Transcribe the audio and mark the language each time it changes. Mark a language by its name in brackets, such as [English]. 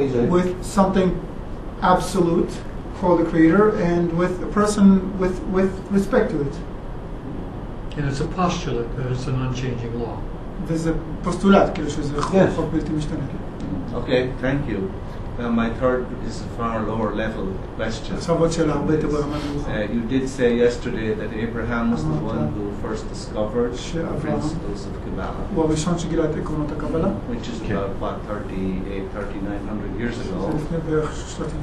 [English] With something absolute called the creator, and with a person with respect to it. And it's a postulate that it's an unchanging law. There's a postulat, [Hebrew] כאילו שזה חוק בלתי משתנה. [English] Okay, thank you. My third is a far lower level question. You did say yesterday that Abraham was the one who first discovered the principles of Kabbalah, which is about 3,900 years ago.